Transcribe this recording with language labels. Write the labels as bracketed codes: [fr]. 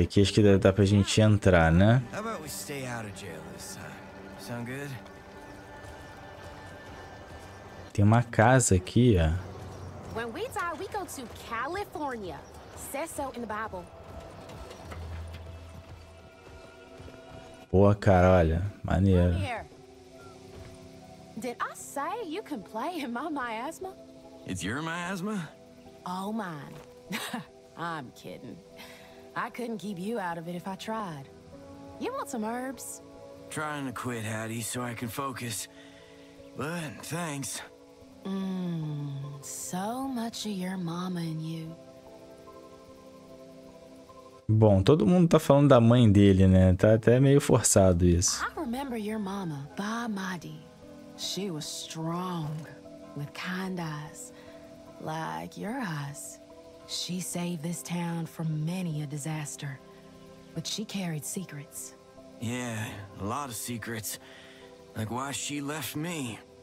[pt] Aqui acho que dá pra gente entrar, né? [en] How about we stay out of jail this time? Sound good? [pt] Tem uma casa aqui, ó. [en] When we die, we go to California. Says so in the Bible. [pt] Boa, cara, olha. Maneiro. [en] Did I say you can play in my miasma? It's your miasma? All mine. I'm kidding. I couldn't keep you out of it if I tried. You want some herbs? Trying to quit, Hattie, so I can focus. But thanks. So much of your mama in you. [pt] Bom, todo mundo tá falando da mãe dele, né? Tá até meio forçado isso. [en] I remember your mama, Ba Mahdi. She was strong, with kind eyes, like your eyes. She saved this town from many a disaster, but she carried secrets. Yeah, a lot of secrets. Like why she left me.